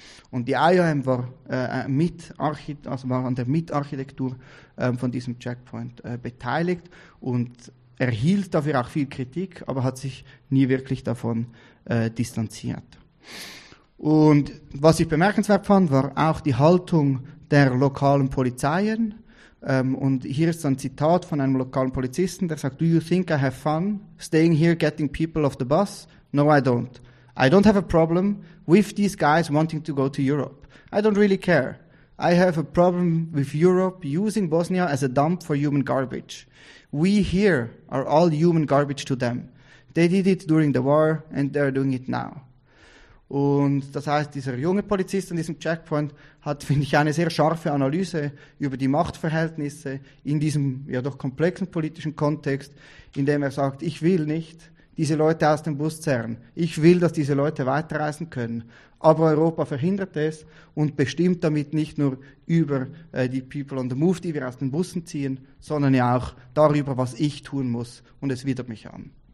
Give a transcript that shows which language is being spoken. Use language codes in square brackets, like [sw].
[de] Und die IOM war, war an der Mitarchitektur von diesem Checkpoint beteiligt und erhielt dafür auch viel Kritik, aber hat sich nie wirklich davon distanziert. Und was ich bemerkenswert fand, war auch die Haltung der lokalen Polizeien. Und hier ist ein Zitat von einem lokalen Polizisten, der sagt, [en] do you think I have fun staying here getting people off the bus? No, I don't. I don't have a problem with these guys wanting to go to Europe. I don't really care. I have a problem with Europe using Bosnia as a dump for human garbage. We here are all human garbage to them. They did it during the war and they're doing it now. [de] Und das heißt, dieser junge Polizist an diesem Checkpoint hat, finde ich, eine sehr scharfe Analyse über die Machtverhältnisse in diesem ja doch komplexen politischen Kontext, in dem er sagt, ich will nicht diese Leute aus dem Bus zerren, ich will, dass diese Leute weiterreisen können, aber Europa verhindert es und bestimmt damit nicht nur über die People on the Move, die wir aus den Bussen ziehen, sondern ja auch darüber, was ich tun muss, und es widert mich an.